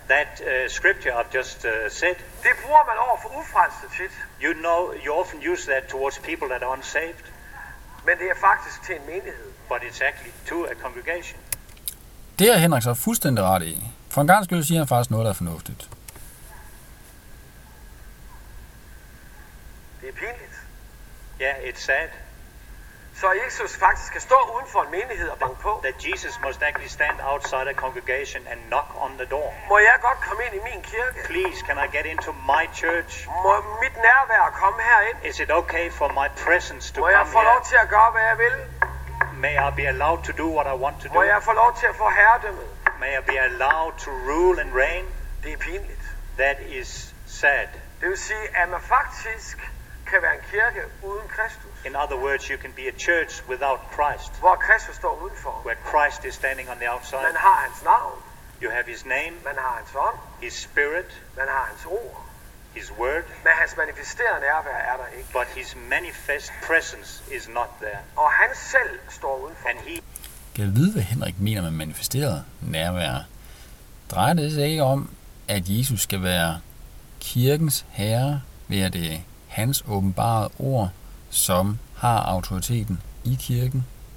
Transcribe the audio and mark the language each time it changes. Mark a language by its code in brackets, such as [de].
[en] That scripture I've just said. [da] Det bruger man over for ufrelste tit. [en] You know, you often use that towards people that are unsaved. [da] Men det er faktisk til en menighed. [en] But it's actually to a congregation. [da] Det er Henrik så fuldstændig ret i. For en gang skyld siger han faktisk noget, der er fornuftigt. Det er pinligt. [en] Ja, yeah, it's sad. [da] Så Jesus faktisk kan stå uden for en menighed og banke på. [en] That Jesus must actually stand outside a congregation and knock on the door. [da] Må jeg godt komme ind i min kirke? [en] Please, can I get into my church? [da] Må mit nærvær komme herind? [en] Is it okay for my presence to come [da] here? Må jeg få lov til at gøre, hvad jeg vil? [en] May I be allowed to do what I want to [da] do? Må jeg få lov til at få herredømmet? [en] May I be allowed to rule and reign? [da] Det er pinligt. [en] That is sad. [da] Det vil sige, at man faktisk kan være en kirke uden Kristus. [en] In other words, you can be a church without Christ. [da] Hvor Kristus står udenfor. [en] Where Christ is standing on the outside. [da] Man har hans navn. [en] You have his name. [da] Man har hans ånd. [en] His spirit. [da] Man har hans ord. [en] His word. [da] Men hans manifesterede nærvær er der ikke. [en] But his manifest presence is not there. [da] Og han selv står udenfor. [en] And he... [da] Jeg ved, hvad Henrik mener med manifesteret nærvær. Drejer det sig ikke om, at Jesus skal være kirkens herre, ved at det er hans åbenbarede ord, som har autoriteten i kirken?